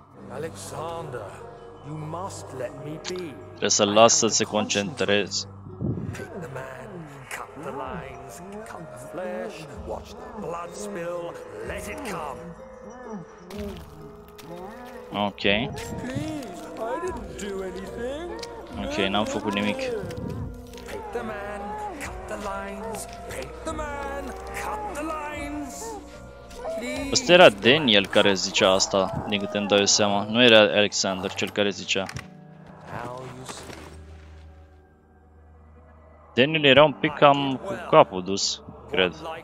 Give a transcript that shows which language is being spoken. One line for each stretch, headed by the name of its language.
English: Alexander, you must let me be.
Romanian: Trebuie să-l las să se concentreze.
English: Pick the man, cut the lines, cut the flesh, watch the blood spill, let it come. Ok. Please, I didn't do anything.
Romanian: Ok, n-am făcut nimic.
English: Pick the man, cut the lines, pick the man, cut the lines.
Romanian: Asta era Daniel care zicea asta, din câte îmi dau eu seama. Nu era Alexander cel care zicea. Daniel era un pic cam cu capul dus, cred.